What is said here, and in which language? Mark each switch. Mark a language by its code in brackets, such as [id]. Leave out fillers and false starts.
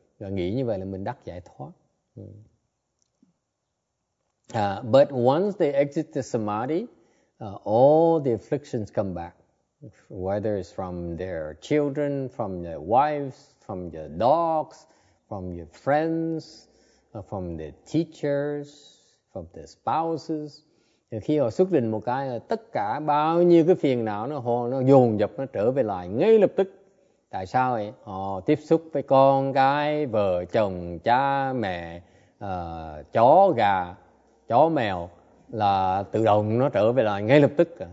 [vi] Và nghĩ như vậy là mình đắc giải thoát. [en] But once they exit the samadhi, all the afflictions come back. Whether it's from their children, from their wives, from their dogs, from your friends, from their teachers, from their spouses. [vi] Thì khi họ xuất định một cái, tất cả bao nhiêu cái phiền não nó dồn dập, nó trở về lại ngay lập tức. Tại sao vậy? Họ tiếp xúc với con cái, vợ chồng, cha mẹ, chó gà, chó mèo, là tự động nó trở về lại ngay lập tức.